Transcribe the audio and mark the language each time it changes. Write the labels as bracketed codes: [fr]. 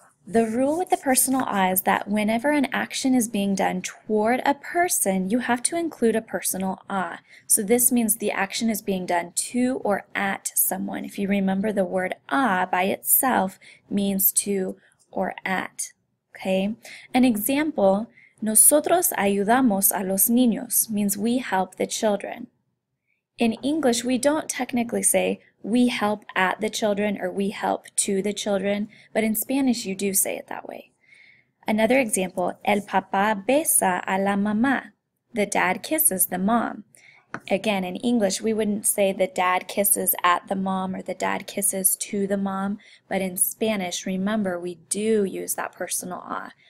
[en] The rule with the personal I is that whenever an action is being done toward a person, you have to include a personal I. So this means the action is being done to or at someone. If you remember, the word I by itself means to or at. Okay. An example, [es] nosotros ayudamos a los niños [en] means we help the children. In English, we don't technically say we help at the children or we help to the children, but in Spanish, you do say it that way. Another example, [es] el papá besa a la mamá. [en] The dad kisses the mom. Again, in English, we wouldn't say the dad kisses at the mom or the dad kisses to the mom, but in Spanish, remember, we do use that personal a.